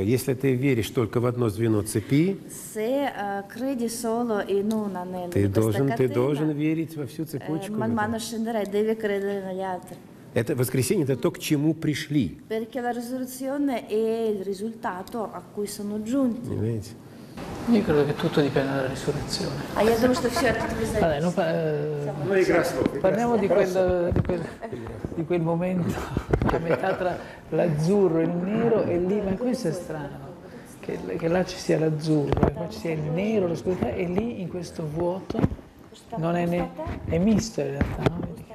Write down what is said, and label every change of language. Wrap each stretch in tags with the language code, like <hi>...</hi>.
<ru>Если ты веришь только в одно звено цепи,</ru> <it>se credi solo in un anello.</it> <ru>Ты должен верить во всю цепочку.</ru> <it>Man mano scenderai, devi credere negli altri.</it> <ru>Это воскресенье, это то, к чему пришли.</ru> <it>Perché la risurrezione è il risultato a cui sono giunti.</it> <ru>Понимаете?</ru> <it>Io credo che tutto dipenda dalla risurrezione. Ah, io credo che tutto dipenda dalla risurrezione. Parliamo di quel momento, la metà tra l'azzurro e il nero, e lì, ma questo è strano, che là ci sia l'azzurro, e qua ci sia il nero, l'oscurità, e lì in questo vuoto non è né, è misto in realtà, no?</it>